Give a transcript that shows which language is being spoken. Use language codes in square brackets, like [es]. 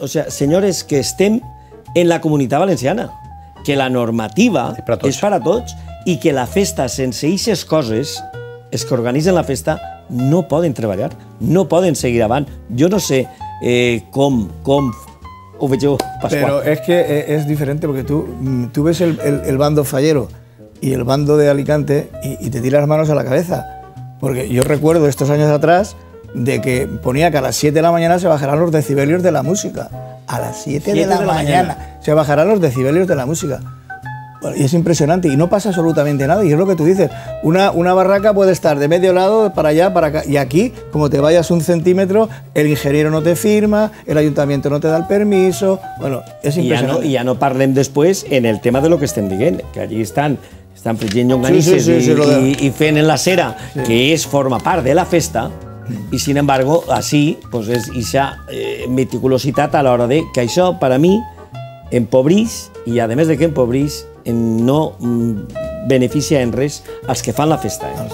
[ca] O sigui, senyores, que estem en la Comunitat Valenciana, que la normativa és per a tots i que la festa, sense eixes coses, els que organitzen la festa no poden treballar, no poden seguir avant. Jo no sé com ho veieu, Pasqual. Però és que és diferent, perquè tu ves el bando fallero i el bando de Alicante i te tira les mans [es] a la cabeza. Porque yo recuerdo estos años atrás de que ponía que a las 7 de la mañana se bajarán los decibelios de la música. A las 7 de la mañana se bajarán los decibelios de la música. Y es impresionante y no pasa absolutamente nada. Y es lo que tú dices, una barraca puede estar de medio lado para allá, para acá. Y aquí, como te vayas un centímetro, el ingeniero no te firma, el ayuntamiento no te da el permiso. Bueno, es impresionante. Y ya no parlen después en el tema de lo que estén diciendo, que allí están... [ca] Estan fregint llonganisses i fent en la cera, que forma part de la festa, i, [es] sin embargo, [ca] així és aquesta meticulositat a l'hora de... Que això, per a mi, empobreix, i a més que empobreix, no beneficia en res als que fan la festa.